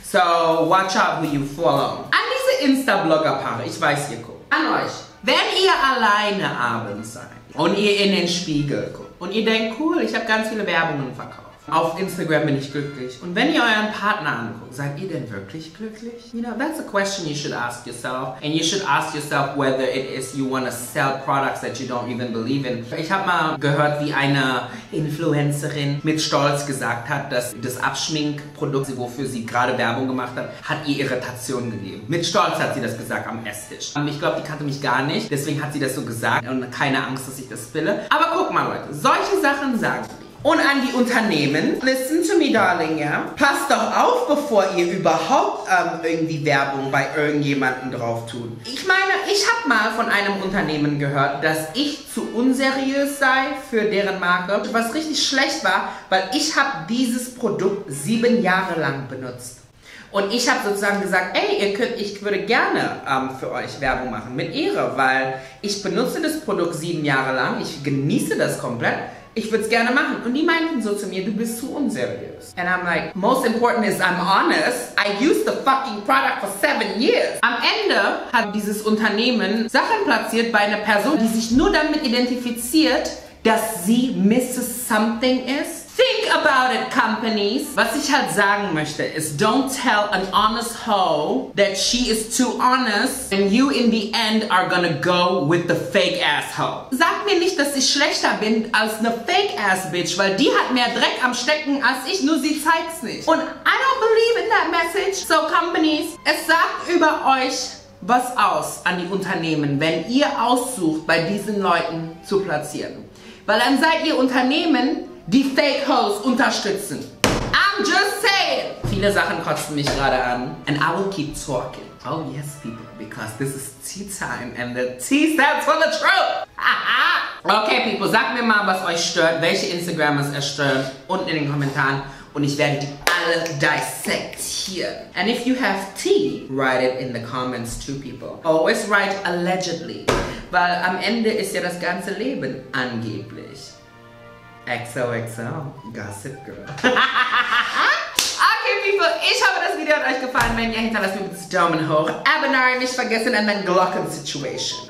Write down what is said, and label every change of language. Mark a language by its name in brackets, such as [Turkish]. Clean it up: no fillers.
[English] So, watch out who you follow. [German] An diese Insta-Blogger-Paare, ich weiß, ihr guckt. An euch. Wenn ihr alleine abends seid und ihr in den Spiegel guckt und ihr denkt, cool, ich habe ganz viele Werbungen verkauft. Auf Instagram bin ich glücklich. Und wenn ihr euren Partner anguckt, seid ihr denn wirklich glücklich? [English] You know, that's a question you should ask yourself. And you should ask yourself whether it is you want to sell products that you don't even believe in. [German] Ich habe mal gehört, wie eine Influencerin mit Stolz gesagt hat, dass das Abschminkprodukt, wofür sie gerade Werbung gemacht hat, hat ihr Irritationen gegeben. Mit Stolz hat sie das gesagt am Esstisch. Ich glaube, die kannte mich gar nicht. Deswegen hat sie das so gesagt. Und keine Angst, dass ich das spille. Aber guck mal, Leute. Solche Sachen sagen sie. Und an die Unternehmen, [English] listen to me, darling, [German] ja? Passt doch auf, bevor ihr überhaupt irgendwie Werbung bei irgendjemandem drauf tut. Ich meine, ich habe mal von einem Unternehmen gehört, dass ich zu unseriös sei für deren Marke. Was richtig schlecht war, weil ich habe dieses Produkt 7 Jahre lang benutzt. Und ich habe sozusagen gesagt, ey, ich würde gerne für euch Werbung machen, mit Ehre. Weil ich benutze das Produkt 7 Jahre lang, ich genieße das komplett. Ich würde es gerne machen. Und die meinten so zu mir, du bist zu unseriös. [English] And I'm like, most important is I'm honest. I used the fucking product for 7 years. [German] Am Ende hat dieses Unternehmen Sachen platziert bei einer Person, die sich nur damit identifiziert, dass sie Mrs. [English] Something ist. Think about it, companies. [German] Was ich halt sagen möchte, ist, [English] don't tell an honest hoe that she is too honest and you in the end are gonna go with the fake ass hoe. [German] Sag mir nicht, dass ich schlechter bin als eine [English] fake ass bitch, [German] weil die hat mehr Dreck am Stecken als ich, nur sie zeigt's nicht. Und [English] I don't believe in that message. So, companies, [German] es sagt über euch was aus an die Unternehmen, wenn ihr aussucht, bei diesen Leuten zu platzieren. Weil dann seid ihr Unternehmen, die Fake Hoes unterstützen. [English] I'm just saying. [German] Viele Sachen kotzen mich gerade an. [English] And I will keep talking. Oh yes, people. Because this is tea time. And the tea stands for the truth. Okay, people. [German] Sagt mir mal, was euch stört. Welche Instagrammers es stört. Unten in den Kommentaren. Und ich werde die alle. alle [English] dissect here. And if you have tea, write it in the comments to people. Always write allegedly, [German] weil am Ende ist ja das ganze Leben angeblich. [English] XOXO, Gossip Girl. [German] People, ich hoffe, das Video hat euch gefallen. Wenn ja, hinterlasst mir bitte Daumen hoch. Abonnieren nicht vergessen an der Glocken-Situation.